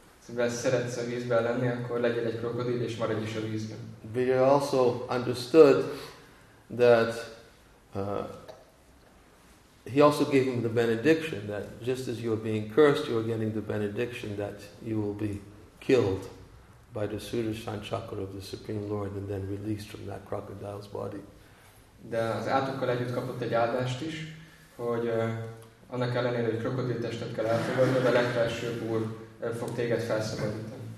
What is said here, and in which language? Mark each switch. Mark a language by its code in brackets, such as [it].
[hu] Szóval szeretsz a vízben lenni, akkor legyen egy krokodil és maradj is a vízben. [en] But he also understood that he also gave him the benediction that just as you are being cursed, you are getting the benediction that you will be killed by the Sudarshan chakra of the Supreme Lord and then released from that crocodile's body. [hu] De az átokkal együtt kapott egy áldást is, hogy annak ellenére, hogy krokodil testet kell elfogadni, de a legfelsőbb úr fog téged felszabadítani.